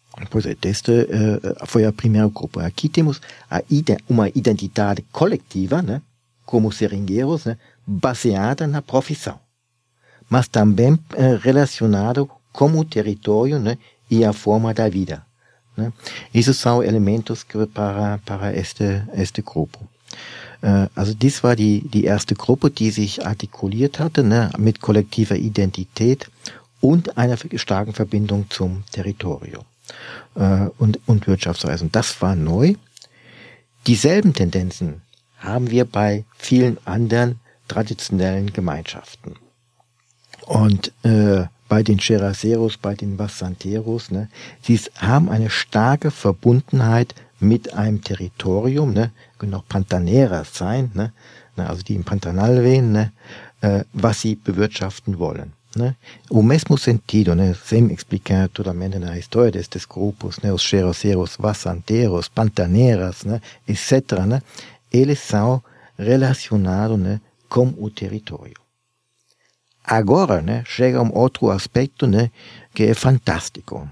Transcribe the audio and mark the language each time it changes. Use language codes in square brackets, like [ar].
[pt] Pois é, foi a primeira grupo. Aqui temos uma identidade coletiva, né, como seringueiros, né, baseada na profissão, mas também relacionado com o território, né, e a forma da vida, né. Esses são elementos para este grupo. [de] Also das war die erste Gruppe, die sich artikuliert hatte, né, mit kollektiver Identität und einer starken Verbindung zum Territorium. Und Wirtschaftsreisen. Das war neu. Dieselben Tendenzen haben wir bei vielen anderen traditionellen Gemeinschaften. Und bei den Cheraceros, bei den Vassanteros, ne, sie haben eine starke Verbundenheit mit einem Territorium, ne, können auch Pantaneras sein, ne, also die im Pantanal wehen, ne, was sie bewirtschaften wollen. Né? [pt] O mesmo sentido, né, sem explicar totalmente na história destes grupos, né, os cheroseros, vassanteros, pantaneras, né, etc., né, eles são relacionados, né, com o território. Agora, né, chega um outro aspecto, né, que é fantástico.